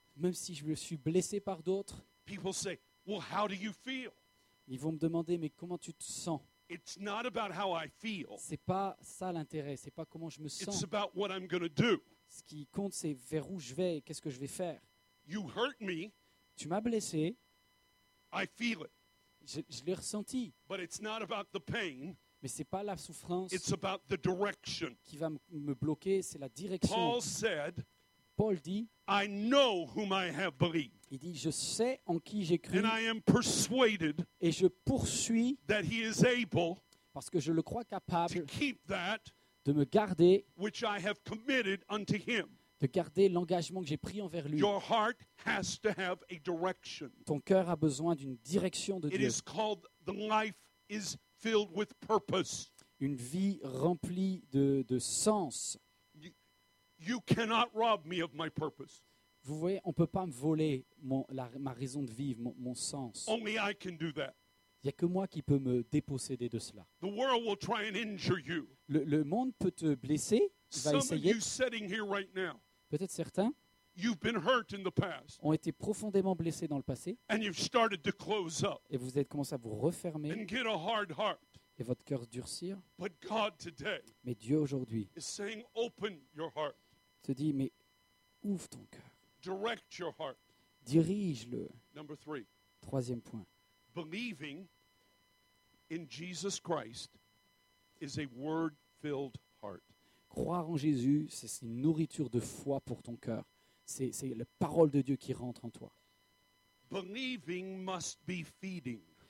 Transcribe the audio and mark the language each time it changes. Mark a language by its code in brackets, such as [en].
[fr] Même si je me suis blessé par d'autres. [en] People say, well, how do you feel? [fr] Ils vont me demander, mais comment tu te sens? [en] It's not about how I feel. [fr] C'est pas ça l'intérêt, c'est pas comment je me sens. [en] It's about what I'm gonna do. [fr] Ce qui compte, c'est vers où je vais et qu'est-ce que je vais faire. [en] You hurt me. [fr] Tu m'as blessé. [en] I feel it. [fr] Je l'ai ressenti. [en] But it's not about the pain. [fr] Mais ce n'est pas la souffrance. [en] It's about the direction. [fr] Qui va me bloquer, c'est la direction. [en] Paul said, [fr] Paul dit, [en] I know whom I have believed. [fr] Il dit, je sais en qui j'ai cru. [en] And I am persuaded, [fr] et je poursuis, [en] that he is able, [fr] parce que je le crois capable, [en] to keep that, [fr] de me garder, [en] which I have committed unto him. [fr] De garder l'engagement que j'ai pris envers lui. [en] Your heart has to have a direction. [fr] Ton cœur a besoin d'une direction de [en] It [fr] Dieu. [en] Is called, the life is filled with purpose. [fr] Une vie remplie de sens. [en] You cannot rob me of my purpose. [fr] Vous voyez, on ne peut pas me voler ma raison de vivre, mon sens. [en] Only I can do that. [fr] Il n'y a que moi qui peux me déposséder de cela. [en] The world will try and injure you. [fr] Le monde peut te blesser. Il va [en] Some [fr] essayer. [en] Of you sitting here right now, [fr] peut-être certains [en] you've been hurt in the past, [fr] ont été profondément blessés dans le passé [en] and you've started to close up, [fr] et vous êtes commencé à vous refermer [en] and get a hard heart, [fr] et votre cœur durcir. [en] But God today [fr] mais Dieu aujourd'hui [en] is saying, open your heart. [fr] Te dit, mais ouvre ton cœur. [en] Direct your heart. [fr] Dirige-le. [en] Number three. [fr] Troisième point. [en] Believing in Jesus Christ is a word-filled heart. [fr] Croire en Jésus, c'est une nourriture de foi pour ton cœur. C'est la parole de Dieu qui rentre en toi. [en] Believing must be feeding.